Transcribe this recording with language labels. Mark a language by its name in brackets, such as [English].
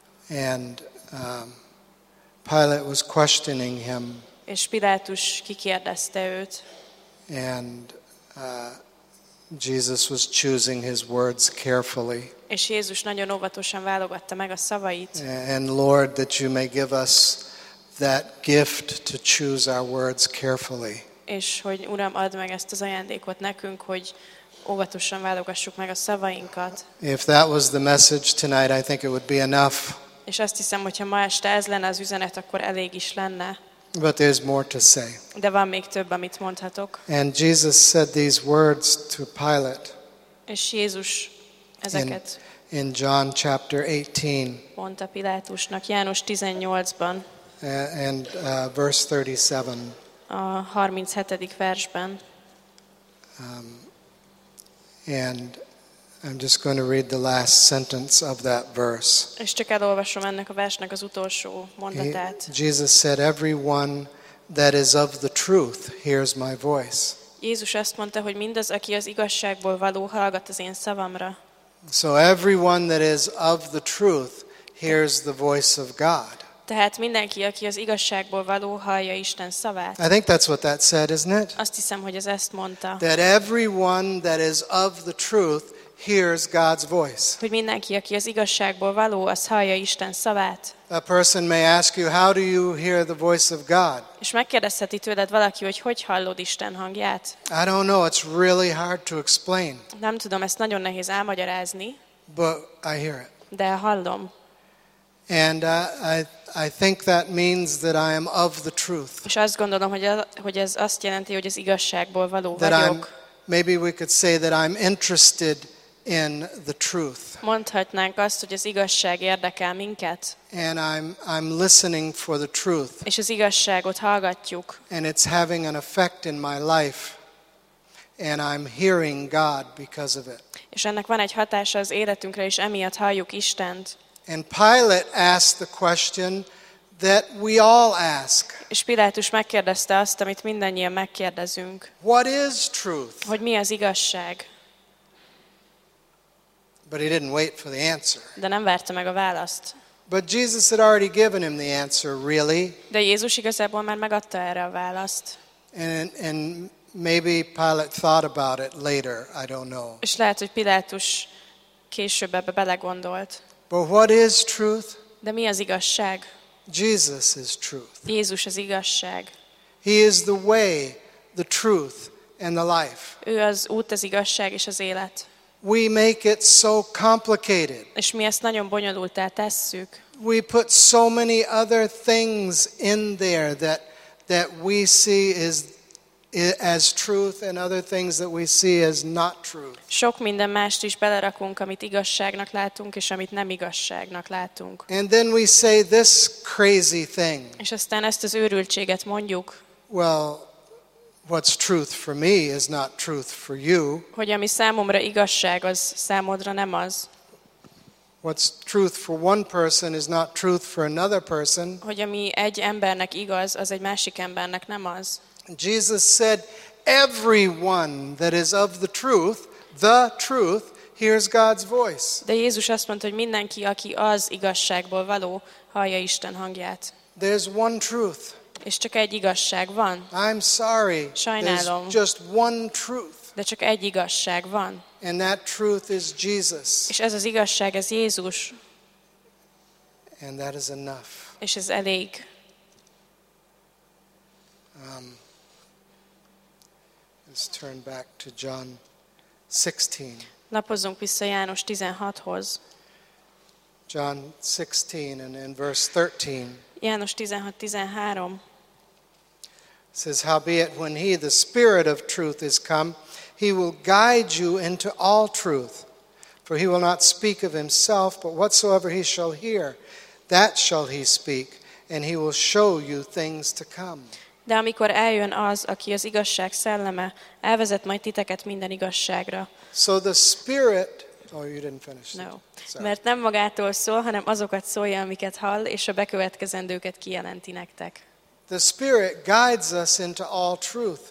[English] And Pilate was questioning him. [Hungarian] És Pilátus kikérdezte őt. [English] And Jesus was choosing his words carefully. [Hungarian] És Jézus nagyon óvatosan válogatta meg a szavait. [English] And Lord, that you may give us that gift to choose our words carefully. [Hungarian] És hogy Uram, add meg ezt az ajándékot nekünk, hogy óvatosan válogassuk meg a szavainkat. [English] If that was the message tonight, I think it would be enough. [Hungarian] És azt hiszem, hogyha ma este ez lenne az üzenet, akkor elég is lenne. [English] But there's more to say. [Hungarian] De van még több, amit mondhatok. [English] And Jesus said these words to Pilate. [Hungarian] És Jézus ezeket. [English] In John chapter 18. [Hungarian] Mondta Pilátusnak János 18-ban. [English] And verse 37. [Hungarian] A 37. versben. [English] And I'm just going to read the last sentence of that verse. [Hungarian] És csak elolvasom ennek a versnek az utolsó mondatát. [English] Jesus said, "Everyone that is of the truth hears my voice." [Hungarian] Jézus azt mondta, hogy mindaz, aki az igazságból való, hallgat az én szavamra. [English] So everyone that is of the truth hears the voice of God. [Hungarian] Tehát mindenki, aki az igazságból való, hallja Isten szavát. [English] I think that's what that said, isn't it? [Hungarian] Azt hiszem, hogy ez ezt mondta. [English] That everyone that is of the truth hears God's voice. [Hungarian] Hogy mindenki, aki az igazságból való, az hallja Isten szavát. [English] A person may ask you, how do you hear the voice of God? [Hungarian] És megkérdezheti tőled valaki, hogy hogy hallod Isten hangját. [English] I don't know, it's really hard to explain. [Hungarian] Nem tudom, ezt nagyon nehéz elmagyarázni. [English] But I hear it. [Hungarian] De hallom. [English] And I think that means that I am of the truth. [Hungarian] És azt gondolom, hogy ez azt jelenti, hogy az igazságból való [English] that [Hungarian] vagyok. [English] Maybe we could say that I'm interested in the truth. [Hungarian] Mondhatnánk azt, hogy az igazság érdekel minket. [English] And I'm listening for the truth. [Hungarian] És az igazságot hallgatjuk. [English] And it's having an effect in my life. And I'm hearing God because of it. [Hungarian] És ennek van egy hatása az életünkre, és emiatt halljuk Istent. [English] And Pilate asked the question that we all ask. [Hungarian] És Pilátus megkérdezte azt, amit mindannyian megkérdezünk. [English] What is truth? [Hungarian] Hogy mi az igazság? [English] But he didn't wait for the answer. [Hungarian] De nem várta meg a választ. [English] But Jesus had already given him the answer, really. [Hungarian] De Jézus igazából már megadta erre a választ. [English] And maybe Pilate thought about it later, I don't know. [Hungarian] És lehet, hogy Pilátus később ebbe belegondolt. [English] But what is truth? [Hungarian] De mi az igazság? [English] Jesus is truth. [Hungarian] Jézus az igazság. [English] He is the way, the truth, and the life. [Hungarian] Ő az út, az igazság és az élet. [English] We make it so complicated. [Hungarian] És mi ezt nagyon bonyolulttá tesszük. [English] We put so many other things in there that we see as truth and other things that we see as not truth. [Hungarian] Sok minden mást is belerakunk, amit igazságnak látunk és amit nem igazságnak látunk. [English] And then we say this crazy thing. [Hungarian] És aztán ezt az őrültséget mondjuk. [English] Well, what's truth for me is not truth for you. [Hungarian] Hogy ami számomra igazság, az számodra nem az. [English] What's truth for one person is not truth for another person. [Hungarian] Hogy ami egy embernek igaz, az egy másik embernek nem az. [English] Jesus said, everyone that is of the truth, hears God's voice. [Hungarian] De Jézus azt mondta, hogy mindenki, aki az igazságból való, hallja Isten hangját. [English] There's one truth. [Hungarian] És csak egy igazság van. [English] I'm sorry. [Hungarian] Sajnálom. [English] There's just one truth. [Hungarian] De csak egy igazság van. [English] And that truth is Jesus. [Hungarian] És ez az igazság, ez Jézus. [English] And that is enough. [Hungarian] És ez elég. [English] Let's turn back to John 16. [Hungarian] Lapozzunk vissza János 16-hoz. [English] John 16 and in verse 13. [Hungarian] János 16:13. [English] Says, howbeit when he, the Spirit of truth, is come, he will guide you into all truth. For he will not speak of himself, but whatsoever he shall hear, that shall he speak, and he will show you things to come. [Hungarian] De amikor eljön az, aki az igazság szelleme, elvezet majd titeket minden igazságra. [English] So the Spirit... Oh, you didn't finish. No. [Hungarian] Mert nem magától szól, hanem azokat szólja, amiket hall, és a bekövetkezendőket kijelenti nektek. [English] The Spirit guides us into all truth.